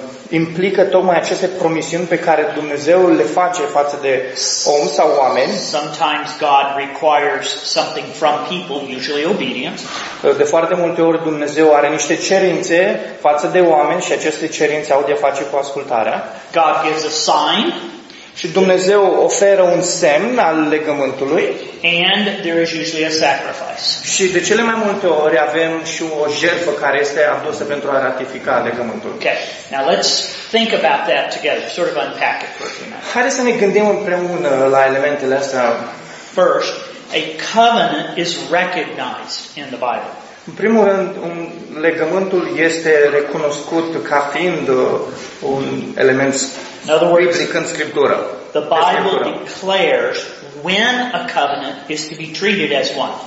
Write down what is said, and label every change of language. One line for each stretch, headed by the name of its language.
Romanian: Implică tocmai aceste promisiuni pe care Dumnezeu le face față de om sau oameni.
English: Sometimes God requires something from people, usually obedience.
Romanian: De foarte multe ori Dumnezeu are niște cerințe față de oameni și aceste cerințe au de a face cu ascultarea.
English: God gives a sign.
Romanian: Și Dumnezeu oferă un semn al legământului.
English: And there is usually a sacrifice.
Romanian: Și de cele mai multe ori avem și o jertfă care este adusă pentru a ratifica legământul.
English: Okay. Now let's think about that together, sort of unpack it for a few minutes.
Romanian: Haideți să ne gândim împreună la elementele astea.
English: First, a covenant is recognized in the Bible.
Romanian: În primul rând, legământul este recunoscut ca fiind un element.
English: In other words,
Romanian: in Scriptura,
English: the Bible declares when a covenant is to be treated as one.